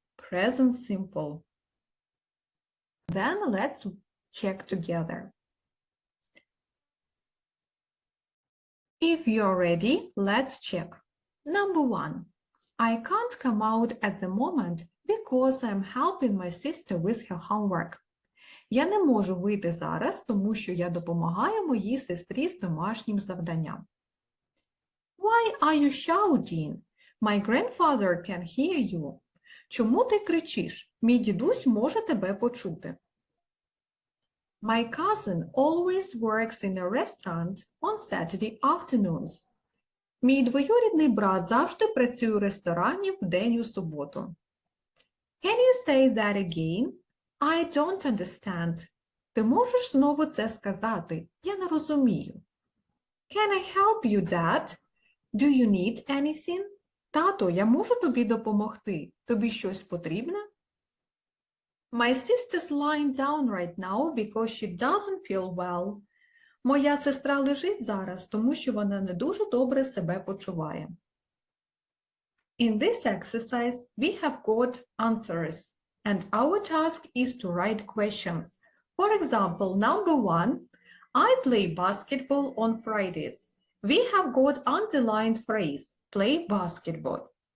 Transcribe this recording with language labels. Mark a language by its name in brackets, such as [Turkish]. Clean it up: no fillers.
[English] Present simple. Then let's check together. If you're ready, let's check. Number one, I can't come out at the moment because I'm helping my sister with her homework. [Ukrainian] Я не можу вийти зараз, тому що я допомагаю моїй сестрі з домашнім завданням. [English] Why are you shouting? My grandfather can hear you. [Ukrainian] Чому ти кричиш? Мій дідусь може тебе почути. [English] My cousin always works in a restaurant on Saturday afternoons. [Ukrainian] Мій двоюрідний брат завжди працює в ресторані в день у суботу. [English] Can you say that again? I don't understand. [Ukrainian] Ти можеш знову це сказати? Я не розумію. [English] Can I help you, Dad? Do you need anything? [Ukrainian] Тато, я можу тобі допомогти? Тобі щось потрібно? [English] My sister's lying down right now because she doesn't feel well. [Ukrainian] Моя сестра лежить зараз, тому що вона не дуже добре себе почуває. [English] In this exercise, we have got answers, and our task is to write questions. For example, number one, I play basketball on Fridays. We have got underlined phrase, play basketball.